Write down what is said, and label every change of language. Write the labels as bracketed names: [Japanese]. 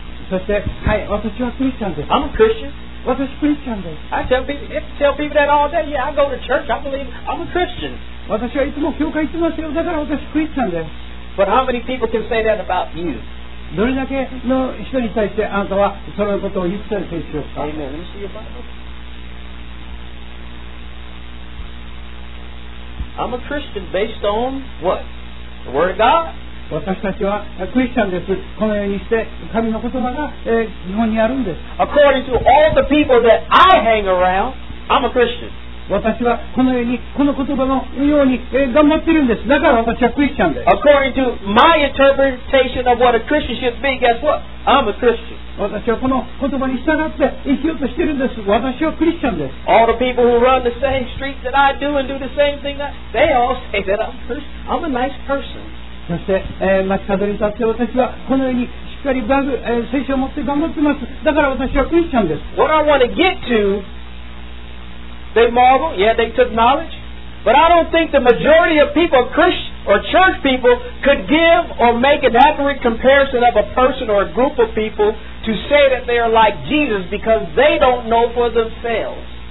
[Japanese] そしてはい、私はクリスチャンです。 [English] I'm a Christian. [Japanese] 私クリスチャンです。 [English] I tell people that all day. Yeah, I go to church. I believe I'm a Christian. [Japanese] 私はいつも教会行ってますよ。だから私クリスチャンです。 [English] But how many people can say that about you? [Japanese] どれだけの人に対してあなたはそのことを言ったりするでしょうか。 [English] Amen. Let me see your Bible. I'm a Christian based on what? The Word of God? [Japanese] 私たちはクリスチャンです。このようにして神の言葉が日本にあるんです。 [English] According to all the people that I hang around, I'm a Christian. [Japanese] 私はこのようにこの言葉のように頑張ってるんです。だから私はクリスチャンです。 [English] According to my interpretation of what a Christian should be, guess what? I'm a Christian. [Japanese] 私はこの言葉に従って生きようとしてるんです。私はクリスチャンです。 [English] All the people who run the same streets that I do and do the same thing that they all say that I'm a Christian. I'm a nice person. [Japanese] そして、待ちかどりに立って私はこのようにしっかり、聖書を持って頑張っています。だから私はクリスチャンです。 [English] What I want to get to, they marvel, yeah, they took knowledge, but I don't think the majority of people, Christians or church people, could give or make an accurate comparison of a person or a group of people to say that they are like Jesus because they don't know for themselves.